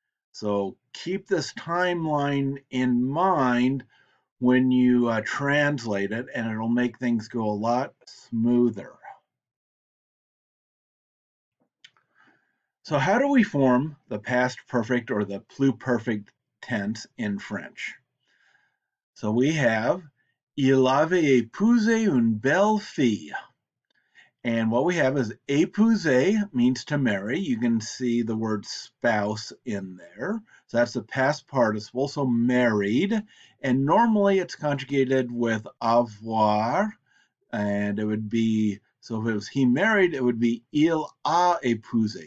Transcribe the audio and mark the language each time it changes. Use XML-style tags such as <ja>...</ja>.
<en>So keep this timeline in mind when you translate it, and it'll make things go a lot smoother. So how do we form the past perfect or the pluperfect tense in French? So we have,</en> <fr>il avait épousé une belle fille.</fr> <en>And what we have is épouse means to marry. You can see the word spouse in there. So that's the past participle, so married. And normally it's conjugated with avoir. And it would be, so if it was he married, it would be</en> <fr>il a épousé.</fr>